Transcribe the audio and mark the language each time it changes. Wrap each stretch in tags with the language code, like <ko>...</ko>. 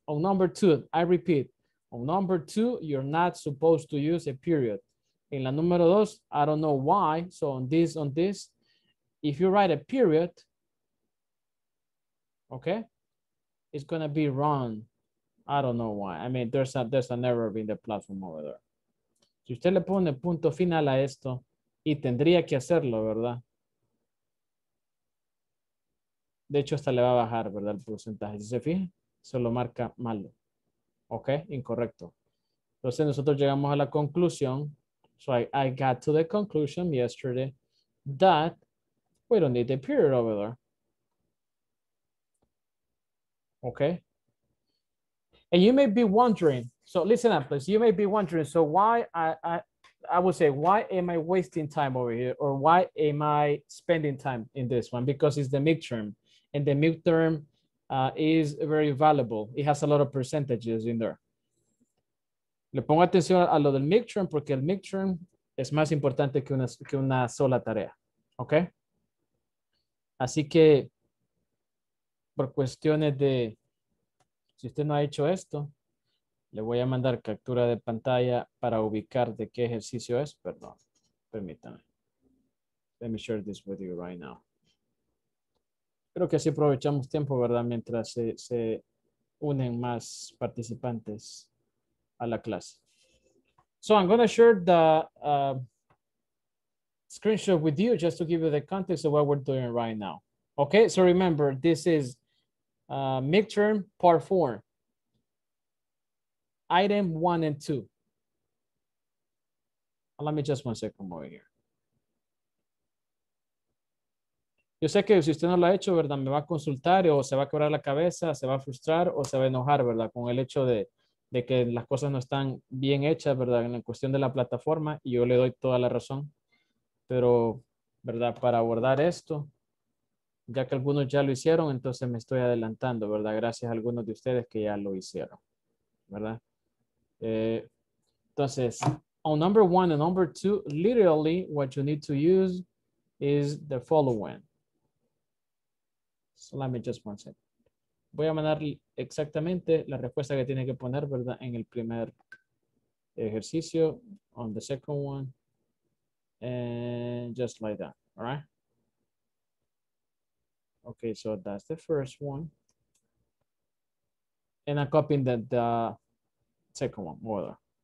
<en>On number two, I repeat, on number two, you're not supposed to use a period.</en> <es>En la número dos,</es> <en>I don't know why, so on this, if you write a period, okay, it's gonna be wrong. I don't know why. I mean, there's an error in the platform over there.</en> <es>Si usted le pone punto final a esto, y tendría que hacerlo, ¿verdad? De hecho, hasta le va a bajar, ¿verdad? El porcentaje. Si se fija, se lo marca malo. ¿Ok? Incorrecto. Entonces, nosotros llegamos a la conclusión.</es> <en>So, I got to the conclusion yesterday that we don't need the period over there. ¿Ok? And you may be wondering, so listen up, please. You may be wondering, so why I would say, why am I wasting time over here? Or why am I spending time in this one? Because it's the midterm. And the midterm is very valuable. It has a lot of percentages in there.</en> <es>Le pongo atención a lo del midterm, porque el midterm es más importante que una sola tarea. Okay? Así que, por cuestiones de, si usted no ha hecho esto, le voy a mandar captura de pantalla para ubicar de qué ejercicio es. Perdón, permítame.</es> <en>Let me share this with you right now.</en> <es>Creo que así aprovechamos tiempo, ¿verdad? Mientras se unen más participantes a la clase.</es> <en>So I'm going to share the screenshot with you just to give you the context of what we're doing right now. Okay, so remember, this is midterm part four. Item one and two. Let me just 1 second over here.</en> <es>Yo sé que si usted no lo ha hecho, ¿verdad? Me va a consultar o se va a quebrar la cabeza, se va a frustrar o se va a enojar, ¿verdad? Con el hecho de que las cosas no están bien hechas, ¿verdad? En cuestión de la plataforma, y yo le doy toda la razón. Pero, ¿verdad? Para abordar esto, ya que algunos ya lo hicieron, entonces me estoy adelantando, ¿verdad? Gracias a algunos de ustedes que ya lo hicieron, ¿verdad?</es> <en>Entonces, on number one and number two, literally what you need to use is the following. So let me just 1 second.</en> <es>Voy a mandar exactamente la respuesta que tiene que poner, ¿verdad? En el primer</es> <en>ejercicio on the second one, and just like that, all right? Okay, so that's the first one. And I'm copying the second one, more or less.</en>